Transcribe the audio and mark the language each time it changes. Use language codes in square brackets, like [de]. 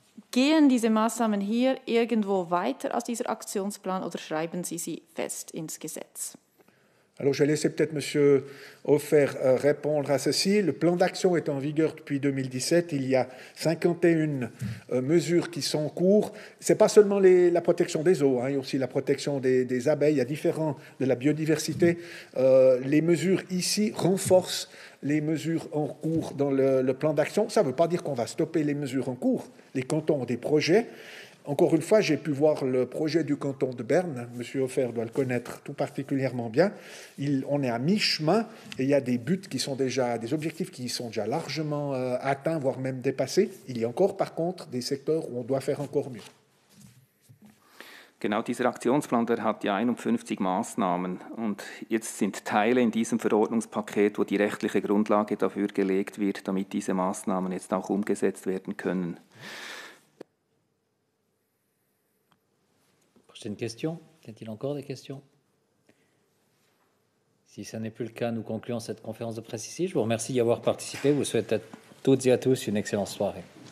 [de] Gehen diese Maßnahmen hier irgendwo weiter aus dieser Aktionsplan oder schreiben Sie sie fest ins Gesetz? [fr] Alors, je vais laisser peut-être M. Hofer répondre à ceci. Le plan d'action est en vigueur depuis 2017. Il y a 51 mesures qui sont en cours. Ce n'est pas seulement la protection des eaux, il y a aussi la protection des abeilles, il y a différents de la biodiversité. Les mesures ici renforcent les mesures en cours dans le plan d'action. Ça ne veut pas dire qu'on va stopper les mesures en cours. Les cantons ont des projets. Encore une fois, j'ai pu voir le projet du canton de Berne. M. Hofer doit le connaître tout particulièrement bien. On est à mi-chemin et il y a des objectifs qui sont déjà largement atteints, voire même dépassés. Il y a encore, par contre, des secteurs où on doit faire encore mieux. [de] Genau dieser Aktionsplan, der hat ja 51 Maßnahmen. Und jetzt sind Teile in diesem Verordnungspaket, wo die rechtliche Grundlage dafür gelegt wird, damit diese Maßnahmen jetzt auch umgesetzt werden können. [fr] J'ai une question. Y a-t-il encore des questions? Si ce n'est plus le cas, nous concluons cette conférence de presse ici. Je vous remercie d'y avoir participé. Je vous souhaite à toutes et à tous une excellente soirée.